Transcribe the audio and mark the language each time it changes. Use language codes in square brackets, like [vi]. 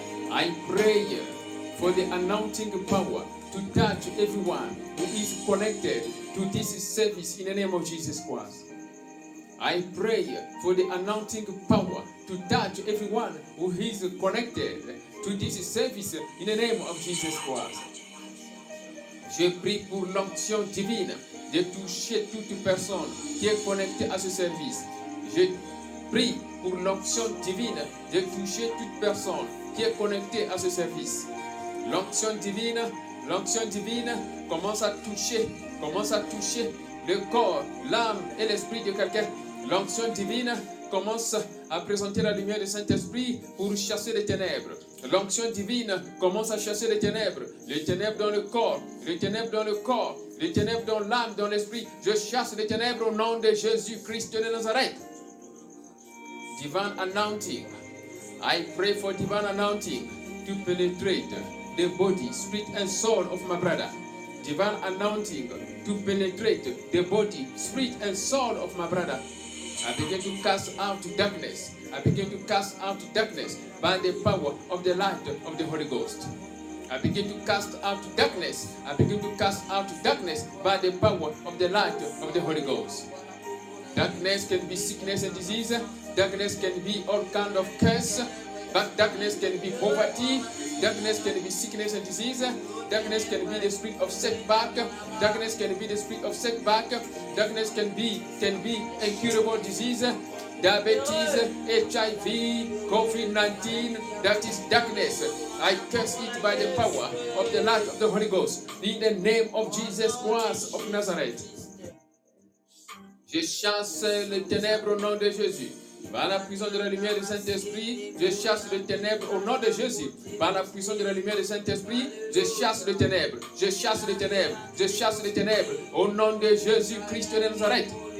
[en] I pray for the anointing power to touch everyone who is connected to this service in the name of Jesus Christ. I pray for the anointing power to touch everyone who is connected to this service in the name of Jesus Christ. [fr] Je prie pour l'onction divine de toucher toute personne qui est connectée à ce service. Je prie pour l'onction divine de toucher toute personne qui est connectée à ce service. L'onction divine commence à toucher le corps, l'âme et l'esprit de quelqu'un. L'onction divine commence à présenter la lumière du Saint-Esprit pour chasser les ténèbres. L'onction divine commence à chasser les ténèbres. Les ténèbres dans le corps, les ténèbres dans le corps, les ténèbres dans l'âme, dans l'esprit. Je chasse les ténèbres au nom de Jésus-Christ de Nazareth. [en] Divine anointing. I pray for divine anointing to penetrate the body, spirit and soul of my brother. Divine anointing to penetrate the body, spirit and soul of my brother. I begin to cast out darkness. I begin to cast out darkness by the power of the light of the Holy Ghost. I begin to cast out darkness. I begin to cast out darkness by the power of the light of the Holy Ghost. Darkness can be sickness and disease. Darkness can be all kind of curse. But darkness can be poverty. Darkness can be sickness and disease. Darkness can be the spirit of setback. Darkness can be the spirit of setback. Darkness can be incurable disease. Diabetes, HIV, COVID-19. That is darkness. I curse it by the power of the light of the Holy Ghost. In the name of Jesus Christ of Nazareth. [fr] Je chasse les ténèbres au nom de Jésus. Par la puissance de la lumière du Saint-Esprit, je chasse les ténèbres au nom de Jésus. Par la puissance de la lumière du Saint-Esprit, je chasse les ténèbres. Je chasse les ténèbres. Je chasse les ténèbres au nom de Jésus-Christ de Nazareth.